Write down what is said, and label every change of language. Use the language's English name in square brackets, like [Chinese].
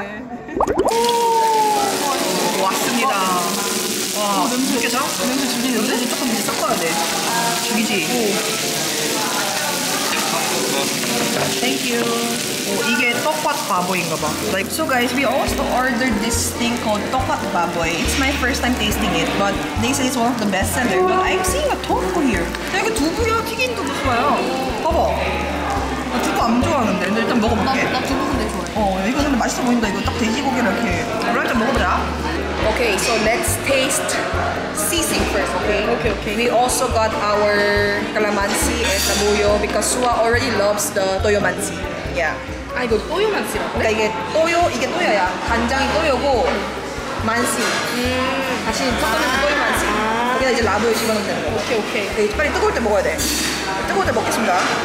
[Korean] 네. 오, 왔습니다. 와, 냄새 죽겠다? 냄새 죽이는데? 냄새 조금 이제 섞어야 돼. 죽이지? 오. [English] Thank you. [Korean] 오, 이게 떡밭 바보인가 봐. [English] Like, so guys, we also ordered this thing called 떡밭 바보이. It's my first time tasting it, but they say it's one of the best sellers. But I'm seeing a tofu here. [Korean] 야, 이게 두부야? 튀긴 두부 좋아요. 봐봐. 나 두부 안 좋아하는데. 근데 일단 먹어볼게. 나 두부 근데 좋아해. 이거 근데 맛있어 보인다. 이거 딱 돼지고기랑 이렇게. 그럼 일단 먹어보자. [English] Okay, so let's taste sisig first, okay? Okay, okay. We also got our calamansi and tabuyo because Sua already loves the toyomansi. Yeah. [Korean] 아, 이거 토요만시라고? 그러니까 이게 토요, 이게 토요야. 간장이 토요고 만시. 다시 섞어낸 토요만시. 여기다 이제 라도에 집어넣으면 되는 거. 오케이, 오케이. 네, 빨리 뜨거울 때 먹어야 돼. 뜨거울 때 먹겠습니다.